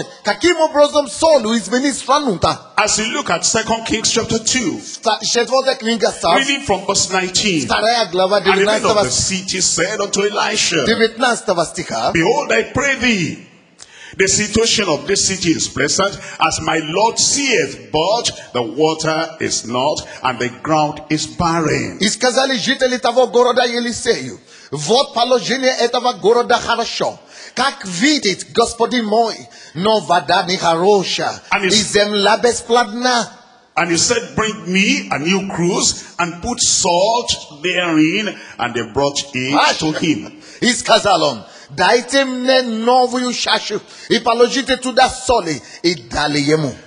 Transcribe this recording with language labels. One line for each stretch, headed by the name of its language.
English: As you look at 2 Kings chapter 2, reading from verse 19, and the man of the city said unto Elisha, behold, I pray thee, the situation of this city is pleasant, as my Lord seeth, but the water is not, and the ground is barren.
Russian: Исказали жители того города Елисею, вот положение этого города хорошо. Как видит господин мой, но вода не хорошая, и земля бесплодна.
English: And he said, bring me a new cruse and put salt therein, and they brought it to him.
Russian: Исказал он. Дайте мне новую чашу и положите туда соли и дали ему.